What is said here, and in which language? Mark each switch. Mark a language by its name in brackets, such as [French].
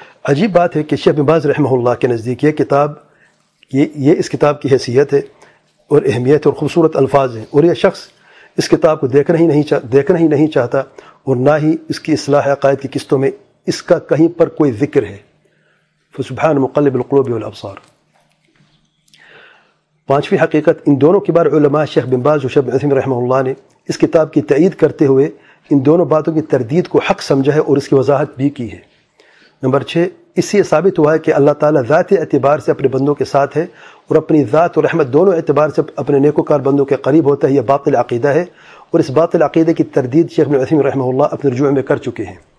[Urdu] عجیب بات ہے کہ شیخ بن باز رحمہ اللہ کے نزدیک یہ کتاب, یہ اس کتاب کی حیثیت ہے اور اہمیت اور خوبصورت الفاظ ہیں, اور یہ شخص اس کتاب کو دیکھنا ہی نہیں چاہتا اور نہ ہی اس کی اصلاح عقائد کی قسطوں میں اس کا کہیں پر کوئی ذکر ہے. [Arabic] فسبحان مقلب القلوب والابصار. [Urdu] پانچویں حقیقت, ان دونوں کے بارے علماء شیخ بن باز و شیخ بن عثیمین رحمہ اللہ نے اس کتاب کی تائید کرتے ہوئے ان دونوں باتوں کی تردید کو حق سمجھا ہے اور اس کی وضاحت بھی کی ہے. نمبر 6, اس سے ثابت ہوا ہے کہ اللہ تعالیٰ ذاتی اعتبار سے اپنے بندوں کے ساتھ ہے, اور اپنی ذات اور رحمت دونوں اعتبار سے اپنے نیکوکار بندوں کے قریب ہوتا ہے. یہ باطل عقیدہ ہے, اور اس باطل عقیدے کی تردید شیخ ابن عثیمین رحمہ اللہ اپنے رجوع میں کر چکے ہیں.